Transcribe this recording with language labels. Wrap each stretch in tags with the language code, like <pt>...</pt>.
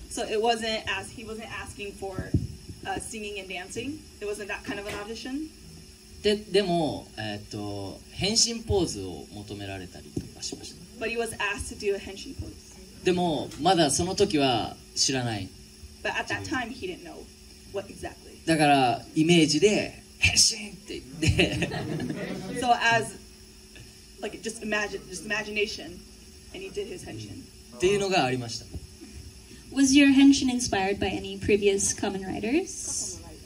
<en>So it wasn't he wasn't asking for singing and dancing. It wasn't that kind of an audition.</en> <ja>でも、変身ポーズを求められたりとかしました。</ja> <en>But he was asked to do a henshin pose.</en> <ja>でも、まだその時は知らない。</ja> <en>But at that time, he didn't know what exactly.</en> <ja>だから、イメージで、変身って言って。</ja> <en>So as, like, just imagination, and he did his henshin.</en> <ja>っていうのがありました。</ja> <en>Was your henshin inspired by any previous Kamen Riders?</en>